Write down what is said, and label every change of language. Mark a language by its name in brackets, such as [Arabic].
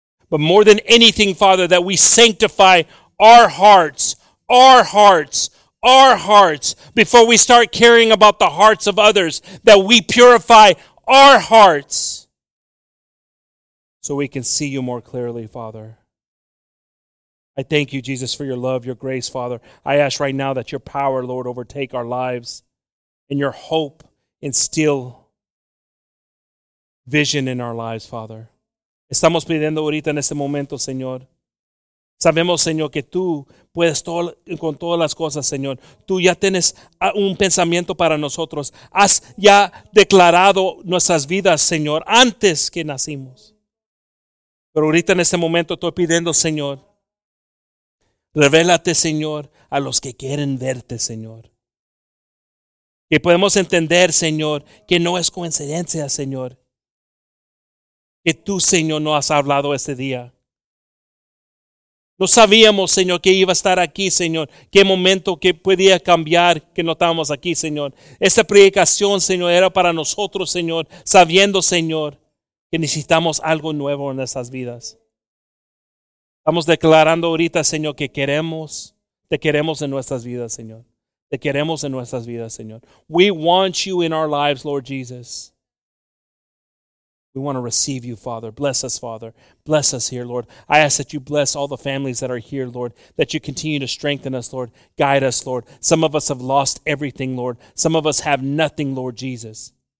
[English] But more than anything, Father, that we sanctify our hearts, our hearts, our hearts, before we start caring about the hearts of others, that we purify our hearts so we can see you more clearly, Father. I thank you, Jesus, for your love, your grace, Father. I ask right now that your power, Lord, overtake our lives and your hope instill vision in our lives, Father. [Spanish] Estamos pidiendo ahorita en este momento, Señor. Sabemos, Señor, que tú puedes todo, con todas las cosas, Señor. Tú ya tienes un pensamiento para nosotros. Has ya declarado nuestras vidas, Señor, antes que nacimos. Pero ahorita en este momento estoy pidiendo, Señor, revélate, Señor, a los que quieren verte, Señor. Que podemos entender, Señor, que no es coincidencia, Señor, que tú, Señor, no has hablado este día. No sabíamos, Señor, que iba a estar aquí, Señor. Qué momento que podía cambiar que no estábamos aquí, Señor. Esta predicación, Señor, era para nosotros, Señor, sabiendo, Señor, que necesitamos algo nuevo en nuestras vidas. Estamos declarando ahorita, Señor, que queremos, te queremos en nuestras vidas, Señor. Te queremos en nuestras vidas, Señor. [English] We want you in our lives, Lord Jesus. We want to receive you, Father. Bless us, Father. Bless us here, Lord. I ask that you bless all the families that are here, Lord, that you continue to strengthen us, Lord. Guide us, Lord. Some of us have lost everything, Lord. Some of us have nothing, Lord Jesus.